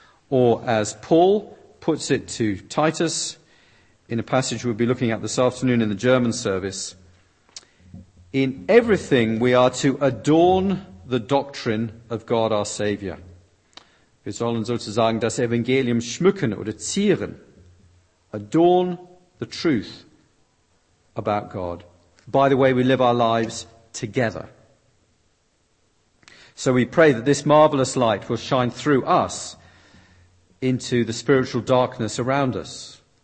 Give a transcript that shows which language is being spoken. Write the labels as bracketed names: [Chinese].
[English] Or as Paul puts it to Titus in a passage we'll be looking at this afternoon in the German service, in everything we are to adorn the doctrine of God our Savior. [German] Wir sollen sozusagen das Evangelium schmücken oder zieren. [English] Adorn the truth about God by the way we live our lives together. So we pray that this marvelous light will shine through us into the spiritual darkness around us.